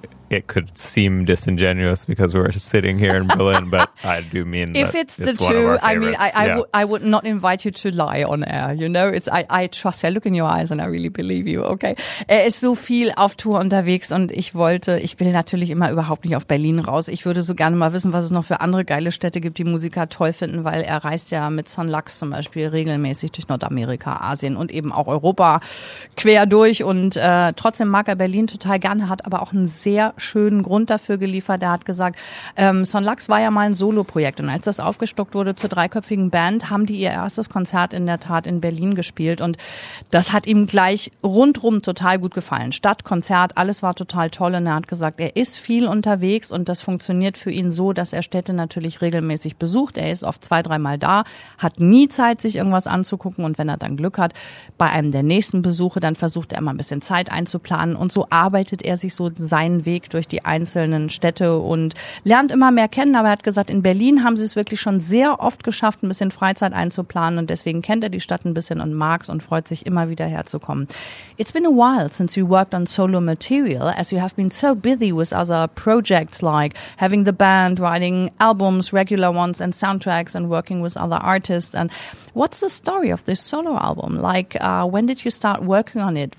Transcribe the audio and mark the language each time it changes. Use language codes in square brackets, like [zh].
[en] It could seem disingenuous because we're sitting here in Berlin, but I do mean if that it's the truth. I mean, I would not invite you to lie on air. You know, it's I trust you. I look in your eyes and I really believe you. [de] Okay, er ist so viel auf Tour unterwegs und ich will natürlich immer überhaupt nicht auf Berlin raus. Ich würde so gerne mal wissen, was es noch für andere geile Städte gibt, die Musiker toll finden, weil er reist ja mit Son Lux zum Beispiel regelmäßig durch Nordamerika, Asien und eben auch Europa quer durch. Und trotzdem mag er Berlin total gerne, hat aber auch einen sehr schönen Grund dafür geliefert. Er hat gesagt, Son Lux war ja mal ein Solo-Projekt und als das aufgestockt wurde zur dreiköpfigen Band, haben die ihr erstes Konzert in der Tat in Berlin gespielt und das hat ihm gleich rundrum total gut gefallen. Stadt, Konzert, alles war total toll und er hat gesagt, er ist viel unterwegs und das funktioniert für ihn so, dass er Städte natürlich regelmäßig besucht. Er ist oft 2-3 Mal da, hat nie Zeit, sich irgendwas anzugucken, und wenn er dann Glück hat, bei einem der nächsten Besuche, dann versucht er immer ein bisschen Zeit einzuplanen und so arbeitet er sich so seinen Weg durch die einzelnen Städte und lernt immer mehr kennen. Aber er hat gesagt, in Berlin haben sie es wirklich schon sehr oft geschafft, ein bisschen Freizeit einzuplanen. Und deswegen kennt er die Stadt ein bisschen und mag es und freut sich, immer wieder herzukommen. [en] It's been a while since you worked on solo material, as you have been so busy with other projects like having the band, writing albums, regular ones and soundtracks and working with other artists. And what's the story of this solo album? Like, when did you start working on it?